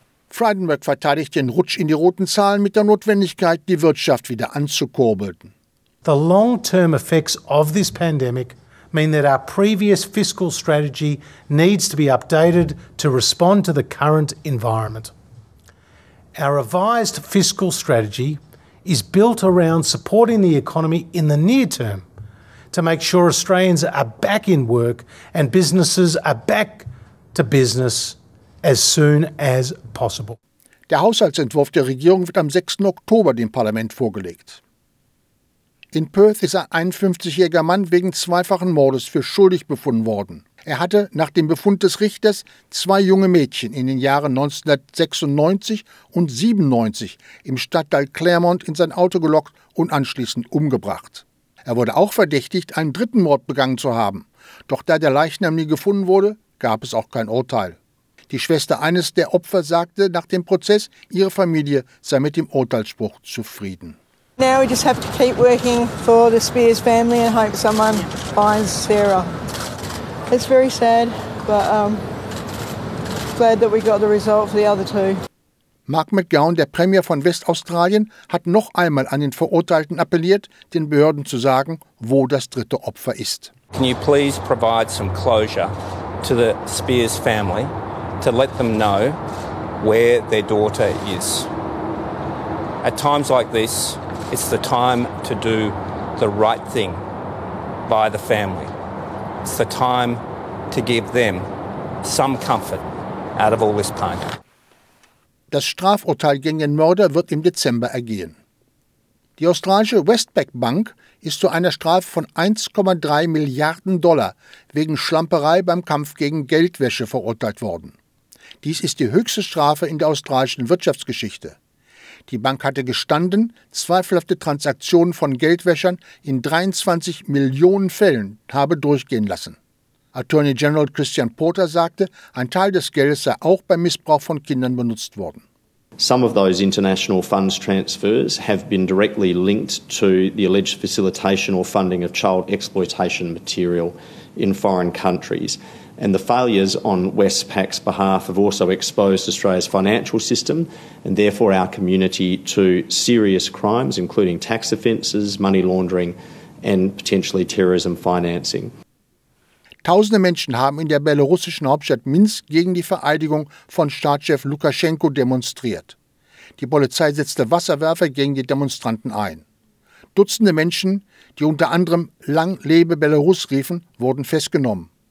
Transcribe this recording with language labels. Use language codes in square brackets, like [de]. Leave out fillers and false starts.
[de] Frydenberg verteidigt den Rutsch in die roten Zahlen mit der Notwendigkeit, die Wirtschaft wieder anzukurbeln. [en] The long-term effects of this pandemic mean that our previous fiscal strategy needs to be updated to respond to the current environment. Our revised fiscal strategy is built around supporting the economy in the near term to make sure Australians are back in work and businesses are back to business as soon as possible. [de] Der Haushaltsentwurf der Regierung wird am 6. Oktober dem Parlament vorgelegt. In Perth ist ein 51-jähriger Mann wegen zweifachen Mordes für schuldig befunden worden. Er hatte nach dem Befund des Richters zwei junge Mädchen in den Jahren 1996 und 97 im Stadtteil Claremont in sein Auto gelockt und anschließend umgebracht. Er wurde auch verdächtigt, einen dritten Mord begangen zu haben. Doch da der Leichnam nie gefunden wurde, gab es auch kein Urteil. Die Schwester eines der Opfer sagte nach dem Prozess, ihre Familie sei mit dem Urteilsspruch zufrieden. [en] Now we just have to keep working for the Spears family and hope someone finds Sarah. It's very sad, but glad that we got the result for the other two. [de] Mark McGowan, der Premier von Westaustralien, hat noch einmal an den Verurteilten appelliert, den Behörden zu sagen, wo das dritte Opfer ist. [en] Can you please provide some closure to the Spears family to let them know where their daughter is? At times like this, it's the time to do the right thing by the family. It's the time to give them some comfort out of all this pain. [de] Das Strafurteil gegen den Mörder wird im Dezember ergehen. Die australische Westpac Bank ist zu einer Strafe von $1,3 Milliarden wegen Schlamperei beim Kampf gegen Geldwäsche verurteilt worden. Dies ist die höchste Strafe in der australischen Wirtschaftsgeschichte. Die Bank hatte gestanden, zweifelhafte Transaktionen von Geldwäschern in 23 Millionen Fällen habe durchgehen lassen. Attorney General Christian Porter sagte, ein Teil des Geldes sei auch beim Missbrauch von Kindern benutzt worden. [en] Some of those international funds transfers have been directly linked to the alleged facilitation or funding of child exploitation material in foreign countries. And the failures on Westpac's behalf have also exposed Australia's financial system and therefore our community to serious crimes, including tax offences, money laundering and potentially terrorism financing. [de] Tausende Menschen haben in der belarussischen Hauptstadt Minsk gegen die Vereidigung von Staatschef Lukaschenko demonstriert. Die Polizei setzte Wasserwerfer gegen die Demonstranten ein. Dutzende Menschen, die unter anderem Lang lebe Belarus riefen, wurden festgenommen.